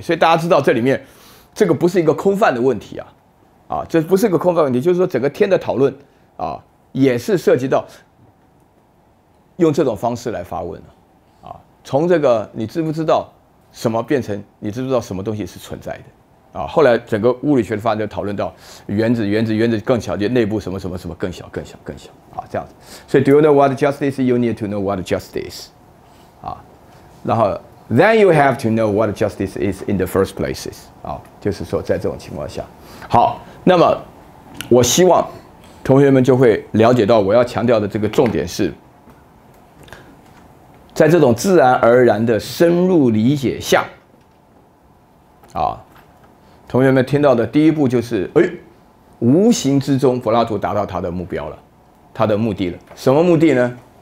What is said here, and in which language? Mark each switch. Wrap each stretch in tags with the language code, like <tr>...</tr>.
<zh>所以大家知道这里面这个不是一个空泛的问题啊，啊，这不是一个空泛问题，就是说整个天的讨论啊也是涉及到用这种方式来发问啊，从这个你知不知道什么变成你知不知道什么东西是存在的啊，后来整个物理学的发展讨论到原子更小，就内部什么什么什么更小更小更小啊，这样子。所以</zh> <en>Do you know what justice is? You need to know what justice is.</en> <zh>啊，然后</zh> <en>Then you have to know what justice is in the first place.</en> <zh>啊，就是说在这种情况下。好，那么我希望同学们就会了解到我要强调的这个重点是，在这种自然而然的深入理解下啊，同学们听到的第一步就是，哎，无形之中柏拉图达到他的目标了，他的目的了。什么目的呢？</zh>